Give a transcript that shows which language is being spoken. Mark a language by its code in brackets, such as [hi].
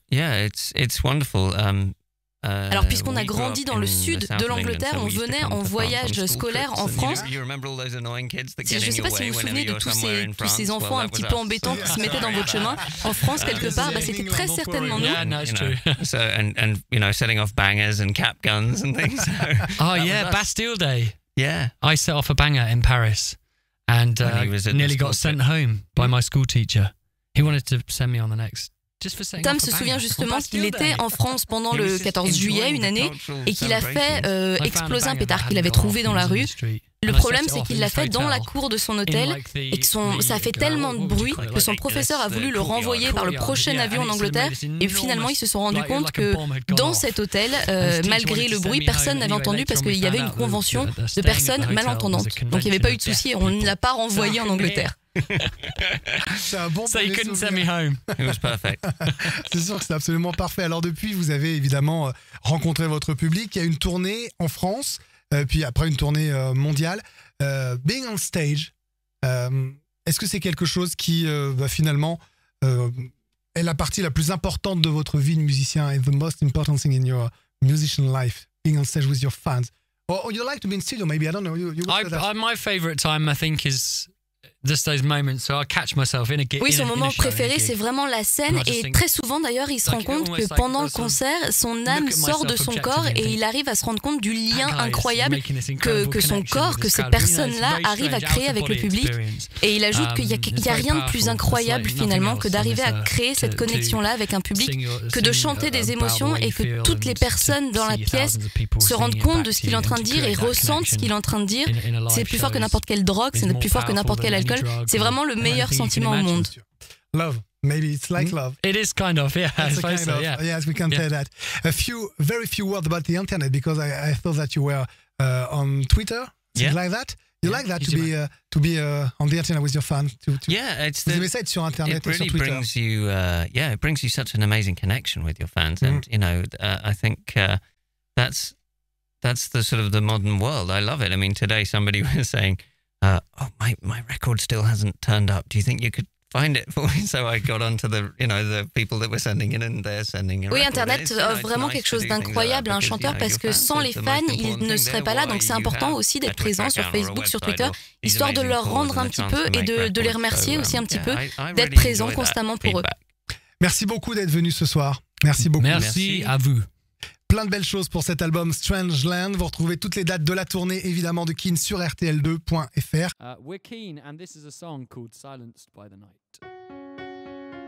[en] Yeah, it's wonderful. [fr] Alors, puisqu'on a grandi dans le sud de l'Angleterre, on venait en voyage scolaire en France. Je ne sais pas si vous vous souvenez de tous ces enfants un petit peu embêtants qui se mettaient dans votre chemin. En France, quelque part, c'était très certainement nous. [en] Yeah, no, it's true. So, and you know, setting off bangers and cap guns and things. Oh, yeah, Bastille Day. Yeah. I set off a banger in Paris. And nearly got sent home by my school teacher. He wanted to send me on the next [fr] Tom se souvient justement qu'il était en France pendant le 14 juillet une année et qu'il a fait exploser un pétard qu'il avait trouvé dans la rue. Le problème, c'est qu'il l'a fait dans la cour de son hôtel et que ça a fait tellement de bruit que son professeur a voulu le renvoyer par le prochain avion en Angleterre. Et finalement, ils se sont rendus compte que dans cet hôtel, malgré le bruit, personne n'avait entendu parce qu'il y avait une convention de personnes malentendantes. Donc, il n'y avait pas eu de souci. On ne l'a pas renvoyé en Angleterre. C'est un bon [en] so you couldn't send me home. It was perfect. [fr] C'est sûr que c'est absolument parfait. Alors depuis, vous avez évidemment rencontré votre public. Il y a une tournée en France, puis après une tournée mondiale. [en] Being on stage, [fr] est-ce que c'est quelque chose qui va finalement est la partie la plus importante de votre vie de musicien? [en] And the most important thing in your musician life, being on stage with your fans. Or you like to be in studio? Maybe I don't know. My favorite time, I think, is just those moments, so I'll catch myself in a gig. [fr] Oui, son moment préféré, c'est vraiment la scène. Et très souvent, d'ailleurs, il se rend compte que pendant le concert, son âme sort de son corps et il arrive à se rendre compte du lien incroyable que son corps, que cette personne-là, arrive à créer avec le public. Et il ajoute qu'il n'y a rien de plus incroyable, finalement, que d'arriver à créer cette connexion-là avec un public, que de chanter des émotions et que toutes les personnes dans la pièce se rendent compte de ce qu'il est en train de dire et ressentent ce qu'il est en train de dire. C'est plus fort que n'importe quelle drogue, c'est plus fort que n'importe quelle. C'est vraiment le meilleur sentiment au monde. [en] Love, maybe it's like love. It is kind of, yeah. It's a kind of, yes, we can say that. A few, very few words about the internet, because I thought that you were on Twitter, something like that. You like that, to be on the internet with your fans? It's the [fr] message sur internet. [en] It really [fr] sur [en] brings you, it brings you such an amazing connection with your fans. Mm. And, you know, I think that's the sort of the modern world. I love it. I mean, today somebody was saying, my record still hasn't turned up. Do you think you could find it for me? So I got onto the, you know, the people that were sending it and they're sending it. [fr] Oui, Internet offre vraiment quelque chose d'incroyable à un chanteur parce que sans les fans, il ne serait pas là. Donc c'est important aussi d'être présent sur Facebook, sur Twitter, histoire de leur rendre un petit peu et de les remercier aussi un petit peu d'être présent constamment pour eux. Merci beaucoup d'être venu ce soir. Merci beaucoup. Merci à vous. Plein de belles choses pour cet album Strange Land. Vous retrouvez toutes les dates de la tournée, évidemment, de Keane sur rtl2.fr. [en] We're Keane, and this is a song called Silenced by the Night.